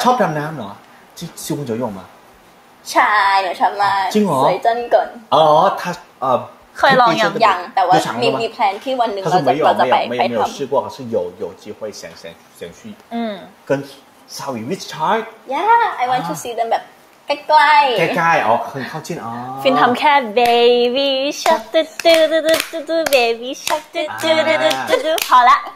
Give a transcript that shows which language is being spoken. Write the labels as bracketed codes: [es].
[th] ，ชอบดำน้ำเหรอที่ชิวจะยอมมา ใช่หนูชอบมาก จริงเหรอ [zh] 水中馆哦他 [th] เคยลอง ยังแต่ว่ามีแผนที่วันหนึ่งเราจะไปทำ ไม่เคย [zh] 试过可是有机会想去嗯跟鲨鱼 [en] which shark yeah I want to see them [th] แบบใกล้ ใกล้ใกล้อ๋อเคยเข้าชินอ๋อ ฟินทำแค่ baby shark ดูดูดูดู baby shark ดูดูดูดูดูพอละ